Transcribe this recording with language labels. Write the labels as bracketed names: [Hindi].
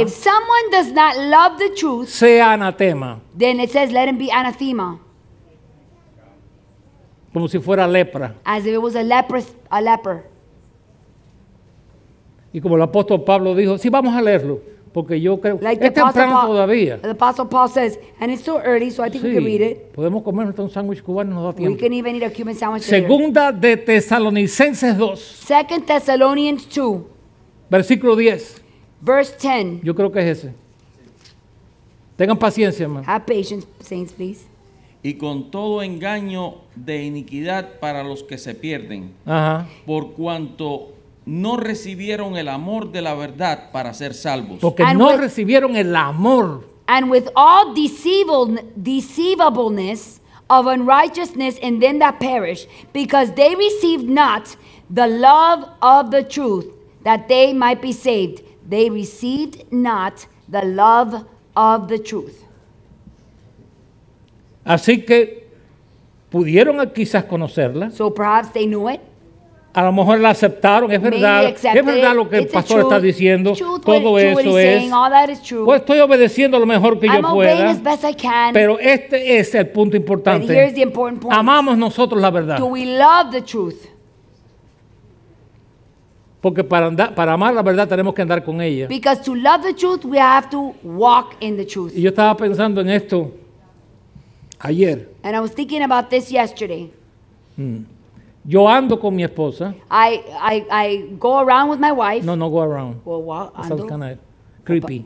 [English] if someone does not love the truth, [Spanish] sea anatema. [English] Then it says, let him be anathema. [Spanish] Como si fuera lepra. [English] As if it was a leper. [Spanish] Y como el apóstol Pablo dijo, sí, vamos a leerlo, porque yo creo que [English] like [Spanish] es temprano todavía. [English] The apostle Paul says, and it's so early, so I think [Spanish] sí, [English] we can read it. [Spanish] Podemos comer un sándwich cubano, nos da tiempo. [English] We can even eat a Cuban sandwich. [Spanish] Segunda later. De Tesalonicenses 2. [English] 2 Thessalonians 2. [Spanish] Versículo 10. [English] Verse 10. [Spanish] Yo creo que es ese. Tengan paciencia, hermano. [English] Have patience, saints, please. [Spanish] Y con todo engaño de iniquidad para los que se pierden. Ajá. Por cuanto no recibieron el amor de la verdad para ser salvos. Porque [English] and no with, [Spanish] recibieron el amor. [English] And with all deceivableness of unrighteousness in them that perish, because they received not the love of the truth that they might be saved. They received not the love of the truth. [Spanish] Así que pudieron quizás conocerla. [English] So perhaps they knew it. [Spanish] A lo mejor la aceptaron, es verdad. Es verdad lo que [English] it's [Spanish] el pastor está diciendo. [English] Truth, [Spanish] todo eso es. [English] Saying, [Spanish] pues estoy obedeciendo lo mejor que [English] I'm [Spanish] yo pueda. [English] As best I can, [Spanish] pero este es el punto importante. [English] But here's the important point. [Spanish] Amamos nosotros la verdad. [English] Do we love the truth? [Spanish] Porque para amar la verdad tenemos que andar con ella. [English] Because to love the truth, we have to walk in the truth. [Spanish] Y yo estaba pensando en esto ayer. [English] And I was thinking about this yesterday. [Spanish] Yo ando con mi esposa. [English] I go around with my wife. No, go around. Well, walk, ando. That sounds kind of creepy.